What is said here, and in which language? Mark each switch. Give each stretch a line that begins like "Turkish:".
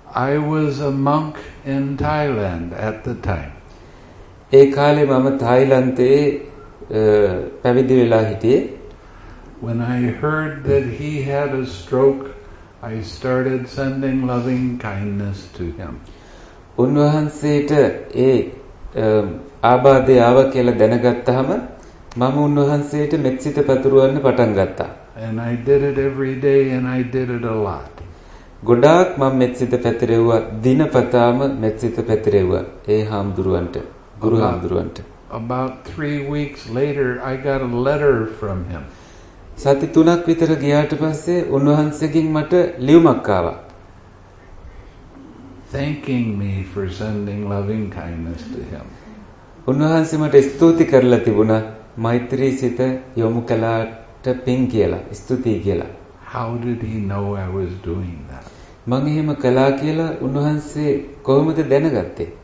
English: I was a monk in Thailand at the time.
Sinhala: ඒ කාලේ මම තායිලන්තයේ පැවිදි වෙලා හිටියේ.
English: When I heard that he had a stroke, I started sending loving kindness to him.
Sinhala: උන්වහන්සේට ඒ ආබාධය ආව කියලා දැනගත්තාම මම උන්වහන්සේට මෙත්සිත පතුරවන්න පටන් ගත්තා.
English: And I did it every day and I did it a lot.
Sinhala: ගොඩාක් මම මෙත්සිත පැතිරෙව්වා, දිනපතාම මෙත්සිත පැතිරෙව්වා ඒ හාමුදුරුවන්ට, ගුරු හාමුදුරුවන්ට.
English: About 3 weeks later I got a letter from him.
Sinhala: සති 3ක් විතර ගියාට පස්සේ උන්වහන්සේගෙන් මට ලියුමක් ආවා.
English: Thanking me for sending loving kindness to him.
Sinhala: උන්වහන්සේ මට ස්තුති කරලා තිබුණා මෛත්‍රී සිත යොමු කළාට පින් කියලා, ස්තුතියි කියලා.
English: How did he know I was doing that?
Sinhala: මං එහෙම කළා කියලා උන්වහන්සේ කොහොමද දැනගත්තේ?